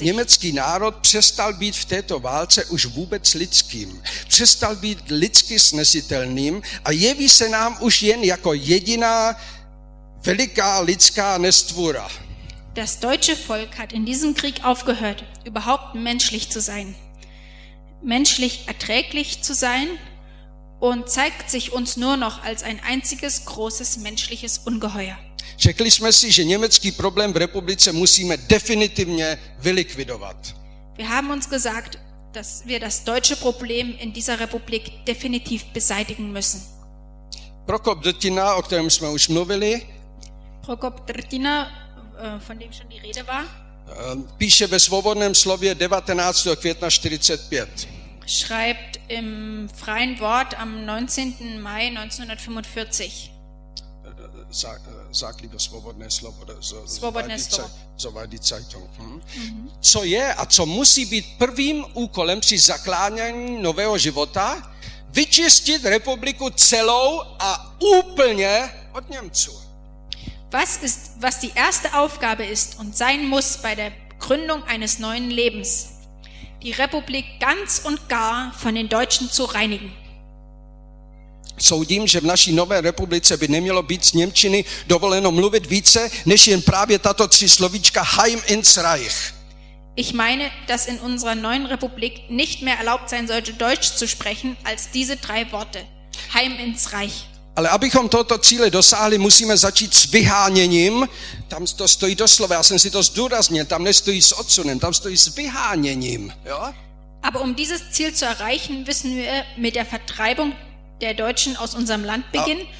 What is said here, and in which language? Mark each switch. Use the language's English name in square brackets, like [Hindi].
[Czech] Německý národ přestal být v této válce už vůbec lidským. Přestal být lidsky snesitelným a jeví se nám už jen jako jediná veliká lidská nestvůra. [German] Das deutsche Volk hat in diesem Krieg aufgehört, überhaupt menschlich zu sein, menschlich erträglich zu sein und zeigt sich uns nur noch als ein einziges großes menschliches Ungeheuer. [Czech] Řekli jsme si, že německý problém v republice musíme definitivně vylikvidovat. [German] Wir haben uns gesagt, dass wir das deutsche Problem in dieser Republik definitiv beseitigen müssen. [Czech] Prokop Drtina, o kterém jsme už mluvili. [German] Prokop Drtina, von dem schon die Rede war. [Czech] Píše ve svobodném slově 19. května 45. [German] Schreibt im freien Wort am 19. Mai 1945. Sagli das svobodné slovo. [Czech] Svobodné slovo. [German] Zowar die Zeitung. [Czech] Co je a co musí být prvým úkolem při zakládání nového života? Vyčistit republiku celou a úplně od Němců. [German] Was die erste Aufgabe ist und sein muss bei der Gründung eines neuen Lebens, die Republik ganz und gar von den Deutschen zu reinigen. [Czech] Soudím, že v naší nové republice by nemělo být z Němčiny dovoleno mluvit více, než jen právě tato tři slovíčka [German] Heim ins Reich. Ich meine, dass in unserer neuen Republik nicht mehr erlaubt sein sollte, Deutsch zu sprechen, als diese drei Worte. Heim ins Reich. [Czech] Ale abychom tohoto cíle dosáhli, musíme začít s vyháněním. Tam to stojí doslova, já jsem si to zdůraznil, tam nestojí s odsunem, tam stojí s vyháněním. Jo? [German] Aber dieses Ziel zu erreichen, wissen wir mit der Vertreibung der Deutschen aus unserem Land beginnen.